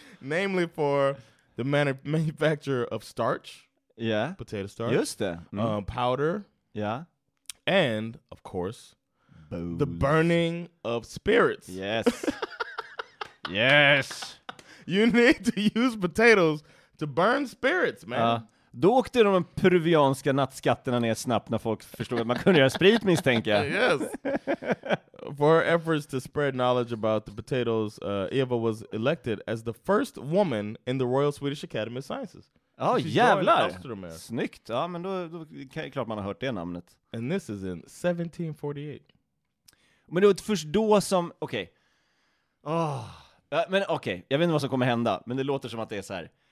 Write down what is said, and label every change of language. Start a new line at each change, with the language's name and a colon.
English: Namely for the manufacture of starch. Yeah. Potato starch. Just det. Mm. Powder. Yeah. And, of course, booze. The burning of spirits. Yes. Yes. You need to use potatoes to burn spirits, man.
Swedish: Då åkte de peruvianska nattskatterna ner snabbt när folk förstod att man kunde göra sprit, misstänker jag.
English: Yes. For her efforts to spread knowledge about the potatoes, Eva was elected as the first woman in the Royal Swedish Academy of Sciences.
Swedish: Ja, oh, jävlar. Snyggt. Ja, men då är det klart man har hört det namnet.
English: And this is in 1748.
Swedish: Men det var först då som... Okej. Okay. Åh. Oh. Ja, men okej, okay. Jag vet inte vad som kommer hända, men det låter som att det är så här.